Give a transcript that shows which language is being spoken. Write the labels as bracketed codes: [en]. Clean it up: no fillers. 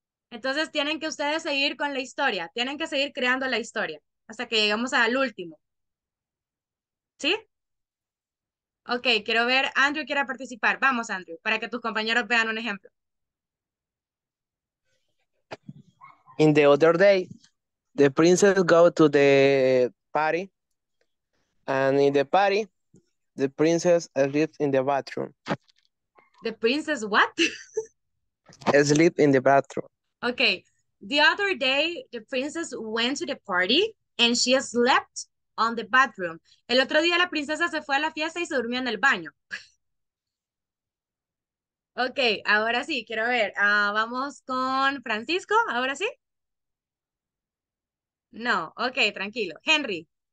[es] Entonces tienen que ustedes seguir con la historia. Tienen que seguir creando la historia hasta que llegamos al último. ¿Sí? Ok, quiero ver. Andrew quiere participar. Vamos, Andrew, para que tus compañeros vean un ejemplo. [en] In the other day, the princess go to the party, and in the party, the princess sleep in the bathroom. The princess what? Sleep in the bathroom. Okay. The other day, the princess went to the party, and she slept on the bathroom. [es] El otro día, la princesa se fue a la fiesta y se durmió en el baño. Okay, ahora sí, quiero ver. Vamos con Francisco, ahora sí. No, ok, tranquilo. Henry.